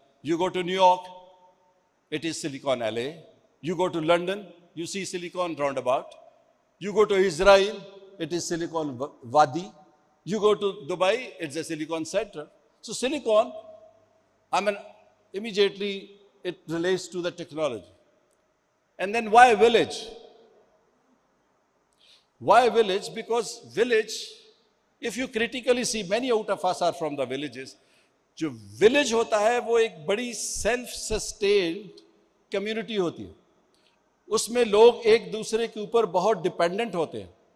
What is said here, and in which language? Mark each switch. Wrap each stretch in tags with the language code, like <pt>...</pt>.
<en>You go to New York, it is silicon alley. You go to London, you see silicon roundabout. You go to Israel, it is silicon Wadi. You go to Dubai, it's a silicon centre. So silicon, I mean immediately it relates to the technology. And then why village? Why village? Because village, if you critically see, many out of us are from the villages.</en> <hi>जो village होता है वो एक बड़ी</hi> <en>self-sustained community</en> <hi>होती है. उसमें लोग एक दूसरे के ऊपर बहुत dependent होते हैं.</hi>